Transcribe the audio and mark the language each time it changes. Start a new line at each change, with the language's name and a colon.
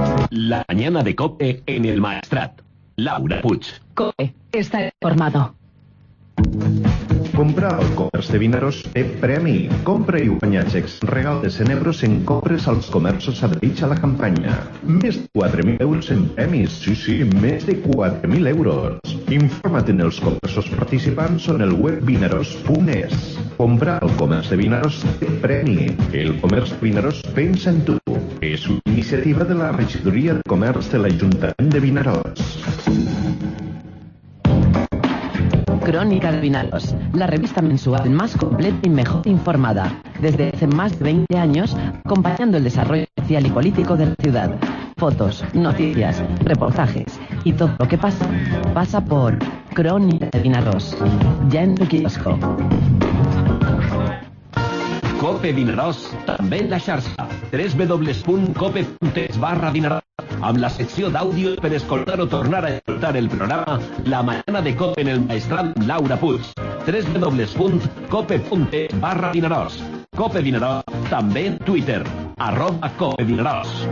Spanish: La mañana de COPE en el Maestrat. Laura Puig. COPE está informado.
Catalan: Compra el comerç de Vinaròs té premi. Compra i guanya xecs regal de 100 euros en compres als comerços adherits a la campanya. Més de 4.000 euros en premis. Sí, sí, més de 4.000 euros. Informa't en els comerços participants o en el web vinaròs.es. Compra el comerç de Vinaròs té premi. El comerç de Vinaròs pensa en tu. És una iniciativa de la Regidoria de Comerç de l'Ajuntament de Vinaròs.
Spanish: Crónica de Vinaròs, la revista mensual más completa y mejor informada. Desde hace más de 20 años, acompañando el desarrollo social y político de la ciudad. Fotos, noticias, reportajes y todo lo que pasa, pasa por Crónica de Vinaròs, ya en tu kiosco.
Catalan: COPE Vinaròs, també en la xarxa. www.cope.es/Vinaròs. Amb la secció d'àudio per escoltar o tornar a escoltar el programa La Mañana de COPE en el Maestrat, Laura Puig. www.cope.es/Vinaròs. COPE Vinaròs, també en Twitter. @COPE Vinaròs.